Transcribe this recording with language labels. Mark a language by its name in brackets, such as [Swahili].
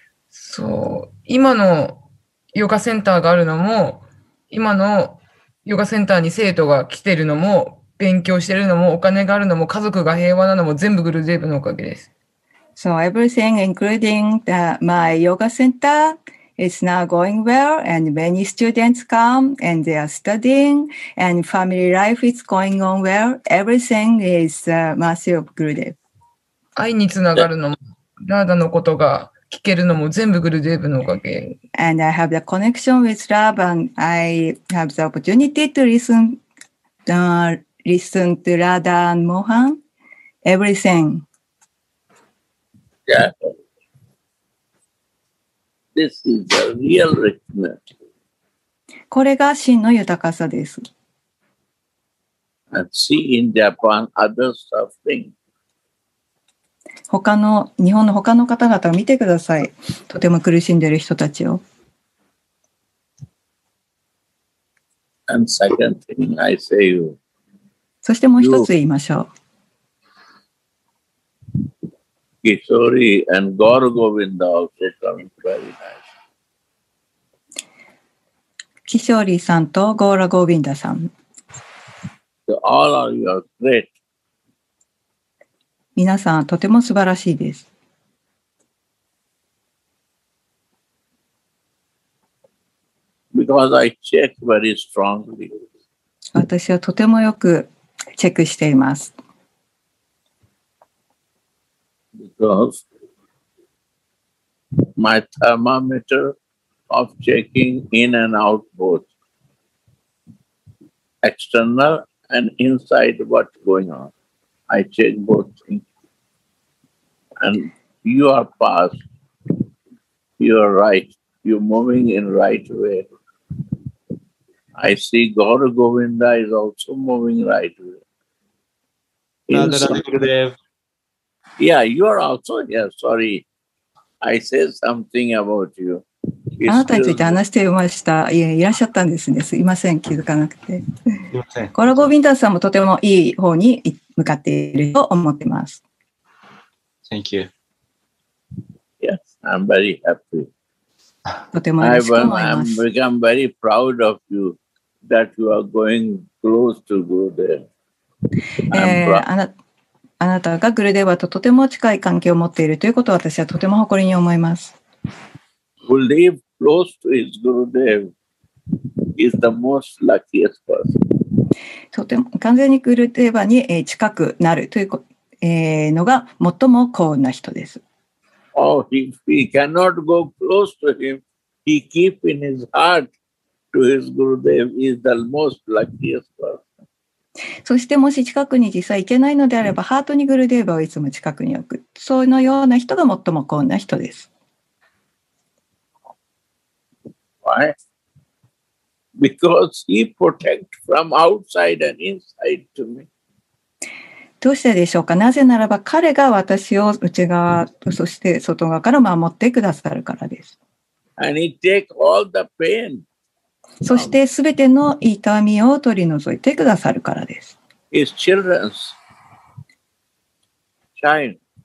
[Japanese] そう、今のヨガセンターがあるのも、今のヨガセンターに生徒が来てるのも、勉強してるのもお金があるのも家族が平和なのも全部グルデーブのおかげです。 [English] So everything including the, my yoga center is now going well and many students come and they are studying and family life is going on well. Everything is mercy of グルデーブ。 [Japanese] 愛につながるのも、ラーダのことが聞けるのも全部グルデーブのおかげ。 [English] And I have the connection with love and I have the opportunity to listen theListen to Radha and Mohan, everything. Yeah. This is the real richness. [Japanese] これが真の豊かさです。 [English] And see in Japan other suffering. [Japanese] 他の、日本の他の方々を見てください。とても苦しんでいる人たちを。 [English] And second thing I say you. [Japanese] そしてもう一つ言いましょう。 [English] Kishori and Gaur Govinda also coming very nice. [Japanese] Kishori さんと Gaur Govinda さん。 [English] All are your great. [Japanese] 皆さんとても素晴らしいです。 [English] Because I check very strongly. [Japanese] 私はとてもよくチェックしています。 [English] Because my thermometer of checking in and out both external and inside what's going on. I check both things. And you are past. You are right. You're moving in right way. I see Gaur Govinda is also moving right way. Yeah, you are also here. Yeah, sorry. I said something about you. [Japanese] あなたについて話していました。いらっしゃったんですね。すいません。気づかなくて。すいません。 Gaur Govinda さんもとてもいい方に向かっていると思ってます。 [English] Thank you. Yes, I'm very happy. [Japanese] とても嬉しく思います。 [English] I've become very proud of you. That you are going close to go there. [Japanese] あな、あなたがグルデーバととても近い関係を持っているということを私はとても誇りに思います。 [English] Who live close to his Gurudev is the most luckiest person. [Japanese] とても完全にグルデーバに近くなるというのが最も幸運な人です。 [English] Oh, he cannot go close to him. He keep in his heart to his Gurudev is the most luckiest person. [Japanese] そしてもし近くに実際行けないのであればハートにグルデーバをいつも近くに置くそのような人が最も幸運な人です。 [English] Why? Because he protects from outside and inside to me. [Japanese] どうしてでしょうか。なぜならば彼が私を内側そして外側から守ってくださるからです。 [English] And he takes all the pain. [Japanese] そしてすべての痛みを取り除いてくださるからです。 [English] His children's shine.